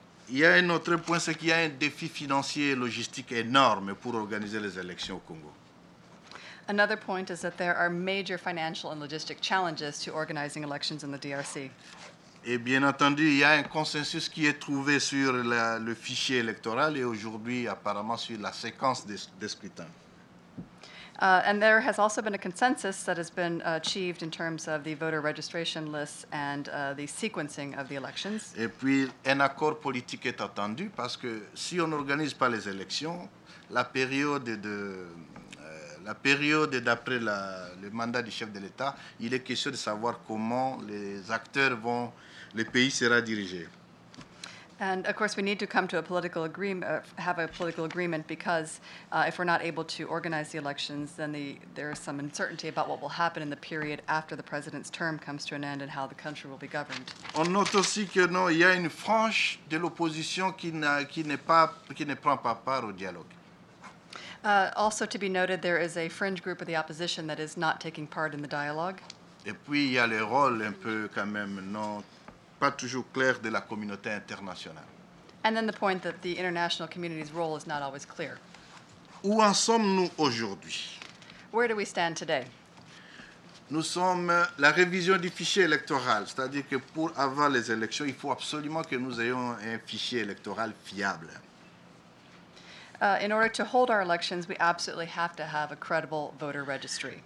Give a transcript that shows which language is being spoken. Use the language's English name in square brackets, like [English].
[French] Il y a un autre point, c'est qu'il y a un défi financier et logistique énorme pour organiser les élections au Congo. [English] Another point is that there are major financial and logistic challenges to organizing elections in the DRC. [French] Et bien entendu, il y a un consensus qui est trouvé sur le fichier électoral et aujourd'hui, apparemment, sur la séquence des scrutins. [English] And there has also been a consensus that has been achieved in terms of the voter registration lists and the sequencing of the elections. [French] Et puis, un accord politique est attendu parce que si on n'organise pas les élections, la période d'après le mandat du chef de l'État, il est question de savoir comment les acteurs vont, le pays sera dirigé. [English] And of course, we need to come to a political agreement, have a political agreement, because if we're not able to organize the elections, then there is some uncertainty about what will happen in the period after the president's term comes to an end and how the country will be governed. [French] On note aussi que non, il y a une frange de l'opposition qui ne prend pas part au dialogue. [English] Also to be noted, there is a fringe group of the opposition that is not taking part in the dialogue. [French] Et puis il y a le rôle un peu quand même non. Pas toujours clair de la communauté internationale. [English] And then the point that the international community's role is not always clear. [French] Où en sommes-nous aujourd'hui? [English] Where do we stand today? [French] Nous sommes la révision du fichier électoral, c'est-à-dire que pour avoir les élections, il faut absolument que nous ayons un fichier électoral fiable. [English] In order to hold our elections, we absolutely have to have a credible voter registry.